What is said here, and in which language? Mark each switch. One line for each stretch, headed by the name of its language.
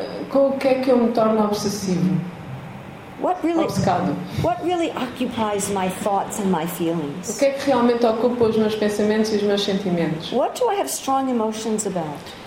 Portuguese: Com o que é que eu me torno obsessivo?
English: What really occupies my thoughts and my feelings?
Portuguese: O que é que realmente ocupa os meus pensamentos e os meus sentimentos?
English: What do I have strong emotions about?